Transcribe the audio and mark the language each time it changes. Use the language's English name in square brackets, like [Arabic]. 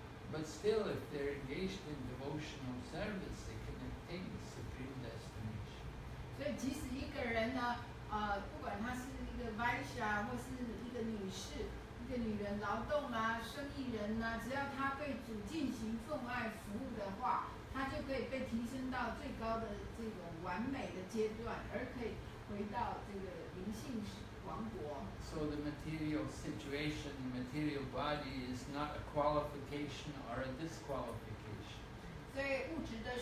[English] But still, if they're engaged in devotional service, they can attain the supreme destination. [Chinese] 所以即使一个人呢，不管他是一个 Vaishya 或是一个女士，一个女人劳动啊，生意人呐，只要她被主进行奉爱服务的话，她就可以被提升到最高的这个完美的阶段，而可以回到这个灵性王国。 [English] So the material situation, the material body is not a qualification or a disqualification.